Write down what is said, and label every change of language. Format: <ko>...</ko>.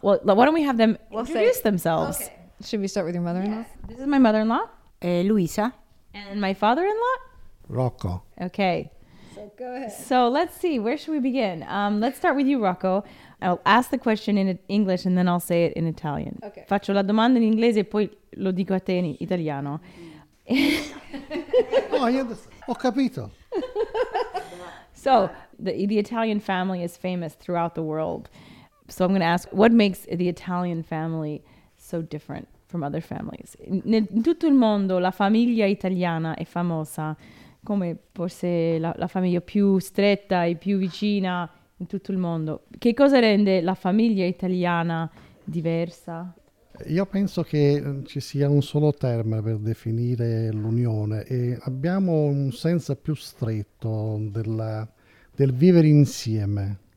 <en>Well, why don't we have them introduce themselves? Okay. Should we start with your mother-in-law? Yes. This is my mother-in-law. Luisa. And my father-in-law? Rocco. Okay. So go ahead. So let's see. Where should we begin? Let's start with you, Rocco. I'll ask the question in English and then I'll say it in Italian. Okay.</en> <it>Faccio la domanda in inglese e poi lo dico a te in italiano.</it> <en>Oh, I understand.</en> <it>Ho capito.</it> <en>So the Italian family is famous throughout the world. So I'm going to ask, what makes the Italian family so different from other families?</en> <it>In tutto il mondo la famiglia italiana è famosa come forse la famiglia più stretta e più vicina in tutto il mondo. Che cosa rende la famiglia italiana diversa? Io penso che ci sia un solo termine per definire l'unione e abbiamo un senso più stretto del vivere insieme.</it>